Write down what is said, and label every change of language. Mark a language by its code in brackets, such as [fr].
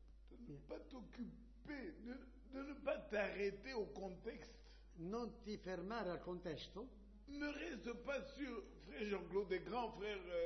[fr] De ne pas t'occuper, de ne pas t'arrêter au contexte. [it] Non ti fermare al contesto. [fr] Ne reste pas sur frère Jean-Claude, des grands frères